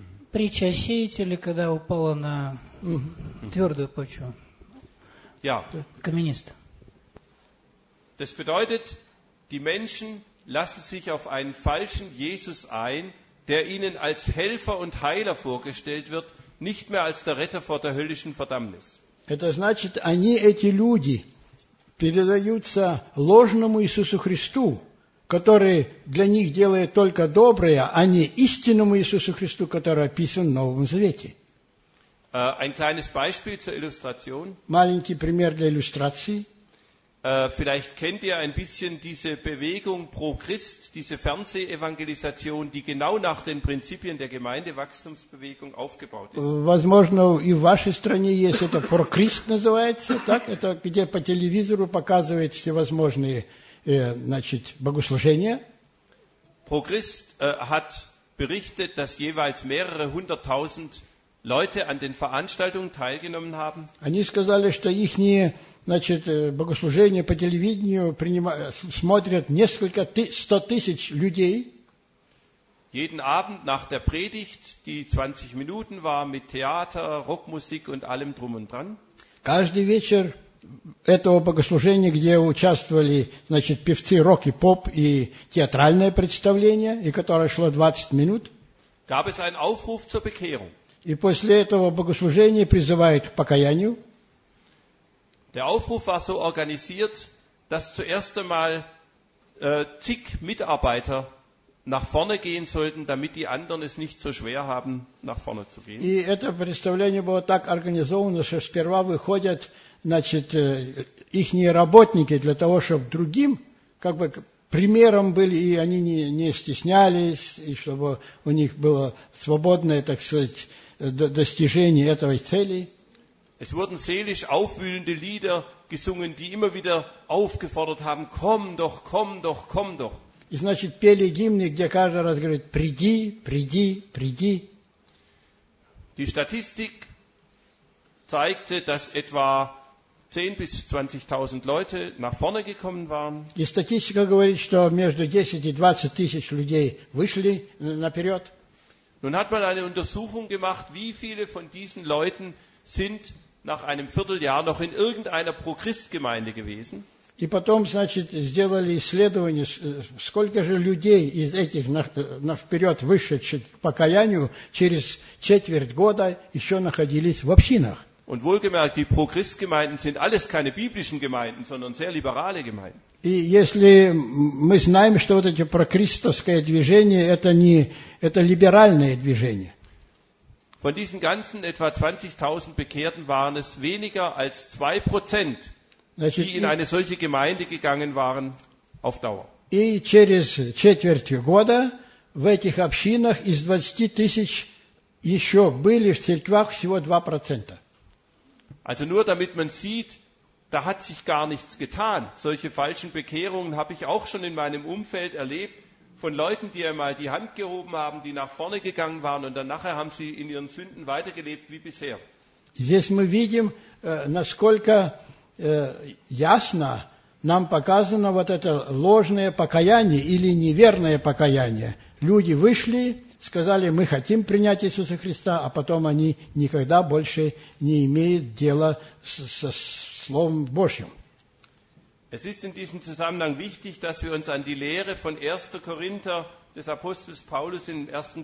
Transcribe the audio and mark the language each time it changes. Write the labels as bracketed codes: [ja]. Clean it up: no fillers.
[ru] Притча о сеятеле, когда упала на твердую почву. [de] Ja. [ru] Каменист. [de] Das bedeutet, die Menschen lassen sich auf einen falschen Jesus ein, der ihnen als Helfer und Heiler vorgestellt wird, nicht mehr als der Retter vor der höllischen Verdammnis. [ru] Это значит, они, эти люди, передаются ложному Иисусу Христу, который для них делает только доброе, а не истинному Иисусу Христу, который описан в Новом Завете. [de] Ein kleines Beispiel zur Illustration. [ru] Маленький пример для иллюстрации. [de] Vielleicht kennt ihr ein bisschen diese Bewegung pro Christ, diese Fernsehevangelisation, die genau nach den Prinzipien der Gemeindewachstumsbewegung aufgebaut ist. [ru] Возможно, и в вашей стране есть это про Christ называется, так? Это где по телевизору показывают всевозможные, значит, богослужения. [de] Pro Christ hat berichtet, dass jeweils mehrere hunderttausend Leute an den Veranstaltungen teilgenommen haben. [ru] Они сказали, что ихние, значит, богослужения по телевидению смотрят несколько сто тысяч людей. [de] Jeden Abend nach der Predigt, die 20 Minuten war, mit Theater, Rockmusik und allem drum und dran. [ru] Каждый вечер этого богослужения, где участвовали, значит, певцы рок и поп и театральное представление, и которое шло 20 минут. [de] Gab es einen Aufruf zur Bekehrung. [ru] И после этого богослужение призывает к покаянию. [de] Der Aufruf war so organisiert, dass zuerst einmal zig Mitarbeiter nach vorne gehen sollten, damit die anderen es nicht so schwer haben, nach vorne zu gehen. [ru] И это представление было так организовано, что сперва выходят, значит, ихние работники для того, чтобы другим, как бы примером были, и они не стеснялись, и чтобы у них было свободное, так сказать, достижение этой цели. [de] Es wurden seelisch aufwühlende Lieder gesungen, die immer wieder aufgefordert haben: Komm doch, komm doch, komm doch. [ru] И значит пели гимны, где каждый раз говорит: приди, приди, приди. [de] Die Statistik zeigte, dass etwa 10 bis 20.000 Leute nach vorne gekommen waren. [ru] И статистика говорит, что между 10 и 20 тысяч людей вышли наперед. [de] Nun hat man eine Untersuchung gemacht, wie viele von diesen Leuten sind nach einem Vierteljahr noch in irgendeiner Pro-Christ-Gemeinde gewesen. [ru] И потом, значит, сделали исследование, сколько же людей из этих вперед вышедших к покаянию через четверть года еще находились в общинах. [de] Und wohlgemerkt, die Pro-Christ-Gemeinden sind alles keine biblischen Gemeinden, sondern sehr liberale Gemeinden. [ru] И если мы знаем, что вот эти прокристовское движение, это либеральное движение. [de] Von diesen ganzen etwa 20.000 Bekehrten waren es weniger als 2%, [ru] значит, [de] die in eine solche Gemeinde gegangen waren, auf Dauer. [ru] И через четверть года в этих общинах из 20 тысяч еще были в церквах всего 2%. [de] Also nur damit man sieht, da hat sich gar nichts getan. Solche falschen Bekehrungen habe ich auch schon in meinem Umfeld erlebt, von Leuten, die einmal die Hand gehoben haben, die nach vorne gegangen waren und dann nachher haben sie in ihren Sünden weitergelebt wie bisher. [ru] Здесь мы видим, насколько ясно нам показано вот это ложное покаяние или неверное покаяние. Люди вышли, сказали, мы хотим принять Иисуса Христа, а потом они никогда больше не имеют дела со Словом Божьим. [de] Es ist in diesem Zusammenhang wichtig, dass wir uns an die Lehre von 1. Korinther des Apostels Paulus im 1.